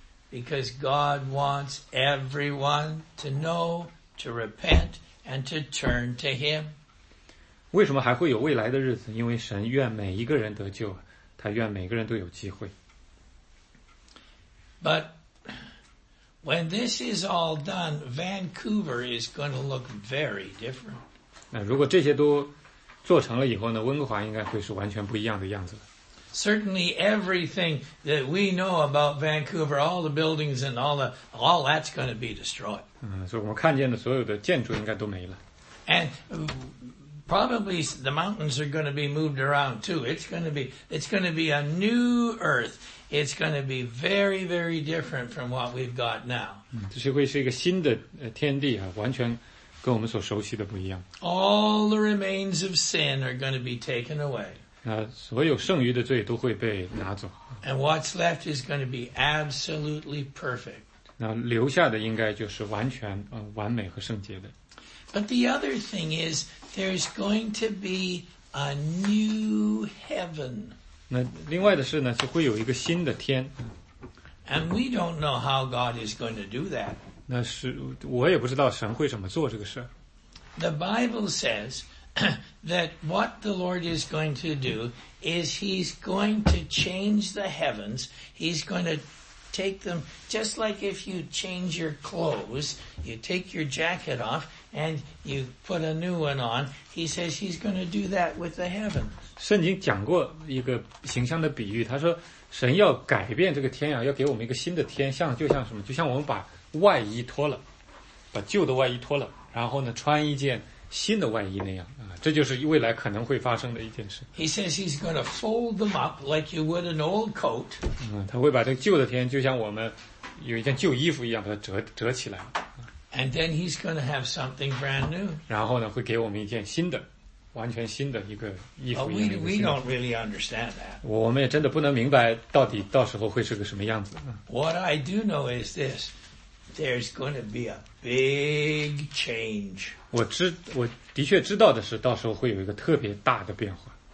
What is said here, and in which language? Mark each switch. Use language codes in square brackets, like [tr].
[en] Because God wants everyone to know, to repent, and to turn to Him. [zh] 为什么还会有未来的日子？因为神愿每一个人得救，他愿每个人都有机会。 [en] But when this is all done, Vancouver is going to look very different. [zh] 那如果这些都做成了以后呢，温哥华应该会是完全不一样的样子。 [en] Certainly everything that we know about Vancouver, all the buildings and all that's going to be destroyed. [zh] 所以我们看见的所有的建筑应该都没了。 [en] And probably the mountains are going to be moved around too. It's going to be a new earth. It's going to be very, very different from what we've got now. [zh] 这是会是一个新的天地啊，完全跟我们所熟悉的不一样。 [en] All the remains of sin are going to be taken away. [zh] 所有剩余的罪都会被拿走。 [en] And what's left is going to be absolutely perfect. [zh] 那留下的应该就是完全完美和圣洁的。 [en] But the other thing is, there's going to be a new heaven. [zh] 那另外的是呢，就会有一个新的天。 [en] And we don't know how God is going to do that. [zh] 那是我也不知道神会怎么做这个事。 [en] The Bible says that what the Lord is going to do is He's going to change the heavens. He's going to take them just like if you change your clothes, you take your jacket off. And you put a new one on. He says he's going to do that with the heaven. [zh] 圣经讲过一个形象的比喻，他说神要改变这个天啊，要给我们一个新的天，像就像什么，就像我们把外衣脱了，把旧的外衣脱了，然后呢穿一件新的外衣那样啊，这就是未来可能会发生的一件事。 [en] He says he's going to fold them up like you would an old coat. [zh] 他会把这个旧的天就像我们有一件旧衣服一样，把它折起来。 [en] And then he's going to have something brand new. [zh] 然后呢，会给我们一件新的，完全新的一个衣服。 [en] We don't really understand that. [zh] 我们也真的不能明白到底到时候会是个什么样子。 [en] What I do know is this: there's going to be a big change. [zh] 我的确知道的是，到时候会有一个特别大的变化。